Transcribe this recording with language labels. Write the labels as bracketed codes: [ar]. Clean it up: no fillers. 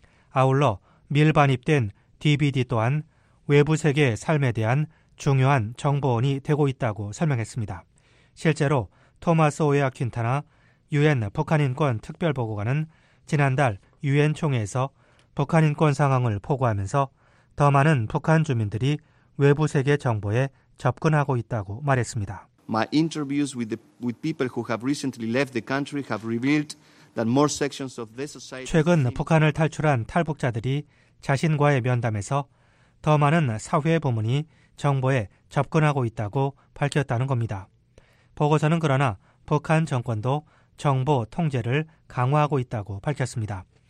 [ko] 아울러 밀반입된 DVD 또한 외부 세계의 삶에 대한 중요한 정보원이 되고 있다고 설명했습니다. 실제로 토마스 오야 퀸타나 유엔 북한인권특별보고관은 지난달 유엔총회에서 북한인권 상황을 포고하면서 더 많은 북한 주민들이 외부 세계 정보에 접근하고 있다고 말했습니다. [en] My interviews with people who have recently left the country have revealed that more sections of this society [ko] 최근 북한을 탈출한 탈북자들이 자신과의 면담에서 더 많은 사회 부문이 정보에 접근하고 있다고 밝혔다는 겁니다. 보고서는 그러나 북한 정권도 정보 통제를 강화하고 있다고 밝혔습니다.